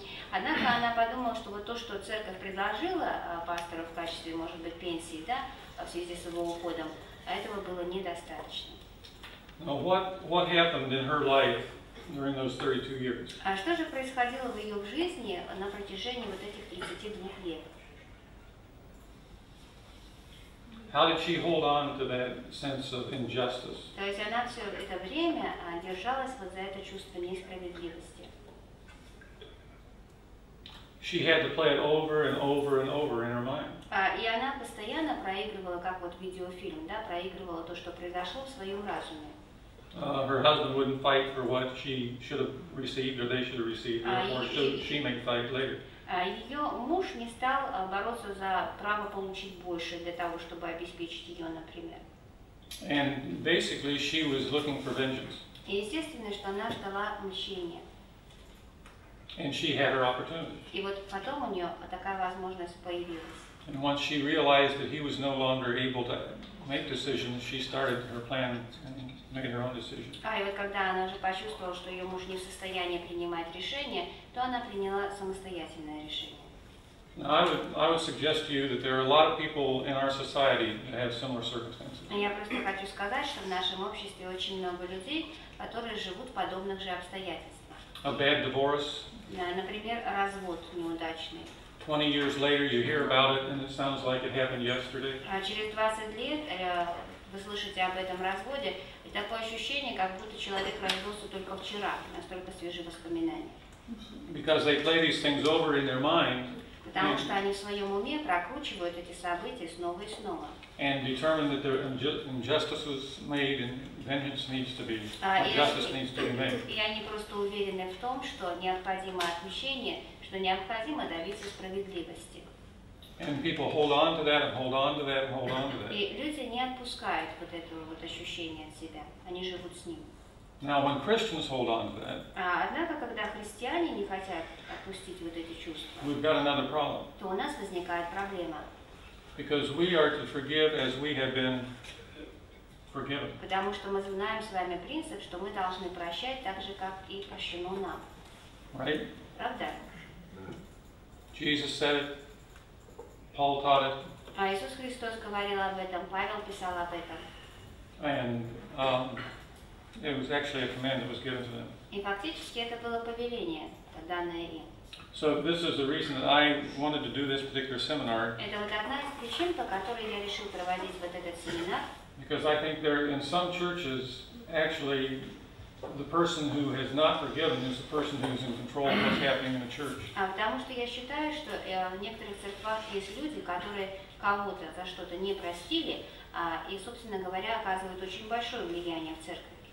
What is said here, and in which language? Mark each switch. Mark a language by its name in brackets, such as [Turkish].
[Russian] Однако она подумала, что вот то, что церковь предложила пастору в качестве, может быть, пенсии, да, в связи с его уходом, этого было недостаточно. [English] Now what happened in her life during those 32 years? [Russian] А что же происходило в ее жизни на протяжении вот этих 32 лет? [English] How did she hold on to that sense of injustice? [Russian] То есть она все это время держалась вот за это чувство несправедливости. [English] She had to play it over and over and over in her mind. [Russian] И она постоянно проигрывала, как вот видеофильм, да, проигрывала то, что произошло в своем разуме. [English] Her husband wouldn't fight for what she should have received, or they should have received, or should she make fight later? [Russian] Ее муж не стал бороться за право получить больше для того, чтобы обеспечить ее, например. [English] And basically, she was looking for vengeance. [Russian] И естественно, что она ждала мщения. [English] And she had her opportunity. [Russian] И вот потом у нее такая возможность появилась. [English] And once she realized that he was no longer able to make decisions, she started her plan and made her own decision. [Russian] И вот когда она уже почувствовала, что ее муж не в состоянии принимать решения, то она приняла самостоятельное решение. [English] I would suggest to you that there are a lot of people in our society that have similar circumstances. [Russian] Я просто хочу сказать, что в нашем обществе очень много людей, которые живут в подобных же обстоятельствах. [English] A bad divorce. [Russian] Например, развод неудачный. [English] 20 years later, you hear about it, and it sounds like it happened yesterday. [Russian] Через 20 лет вы слышите об этом разводе, и такое ощущение, как будто человек развелся только вчера, настолько свежие воспоминания. [English] Because they play these things over in their mind. [Russian] Потому что они в своем уме прокручивают эти события снова и снова. [English] And determine that there injustice was made and vengeance needs to be, justice needs to be made. [Russian] И они просто уверены в том, что необходимо отмщение, что необходимо добиться справедливости. [English] And people hold on to that and hold on to that and hold on to that. [Russian] И люди не отпускают вот этого вот ощущения от себя. Они живут с ним. [English] Now, when Christians hold on to that, [Russian] однако, когда христиане не хотят отпустить вот эти чувства, [English] we've got another problem. [Russian] То у нас возникает проблема. [English] Because we are to forgive as we have been forgiven. [Russian] Потому что мы знаем с вами принцип, что мы должны прощать так же, как и прощено нам. [English] Right? [Russian] Правда? [English] Jesus said it. Paul taught it. [Russian] А Иисус Христос говорил об этом. Павел писал об этом. [English] And it was actually a command that was given to them. [Russian] И фактически это было повеление, данное им. [English] So this is the reason that I wanted to do this particular seminar. [Russian] Это вот одна из причин, по которой я решил проводить вот этот семинар. [English] Because I think there, in some churches, actually, the person who has not forgiven is the person who is in control of what's happening in the church. [Russian] А потому что я считаю, что в некоторых церквах есть люди, которые кого-то за что-то не простили, и, собственно говоря, оказывают очень большое влияние в церкви.